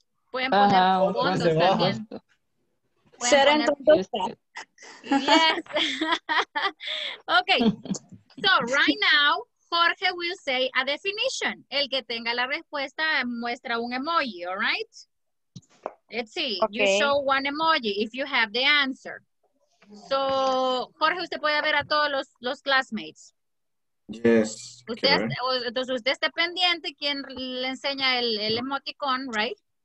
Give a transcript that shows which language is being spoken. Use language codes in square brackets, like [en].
[es] Pueden poner fondos también. Ser en poner... tu casa. [en] Yes. Okay. So, right now, Jorge will say a definition. [es] El que tenga la respuesta muestra un emoji, all right? [en] Let's see, okay. You show one emoji if you have the answer. [es] So, Jorge, usted puede ver a todos los classmates. [en] Yes. [es] Usted, entonces, usted esté pendiente quien le enseña el emoticón, right?